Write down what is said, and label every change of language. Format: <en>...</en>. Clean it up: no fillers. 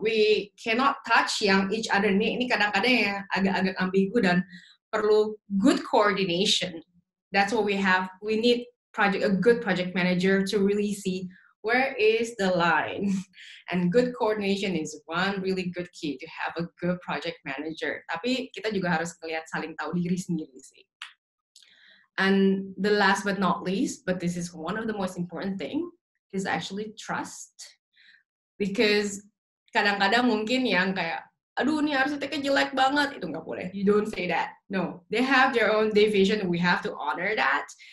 <en>We cannot touch</en> <id>yang each other nih, ini kadang-kadang yang agak-agak ambigu dan perlu good coordination.</id> <en>That's what we need project a good project manager to really see where is the line. And good coordination is one really good key to have a good project manager.</en> <id>Tapi kita juga harus ngeliat saling tahu diri sendiri sih.</id> <en>And the last but not least, but this is one of the most important thing, is actually trust.</en> <id>Because kadang-kadang mungkin yang kayak, aduh ini arsiteknya jelek banget, itu nggak boleh.</id> <en>You don't say that. No, they have their own division. We have to honor that.</en>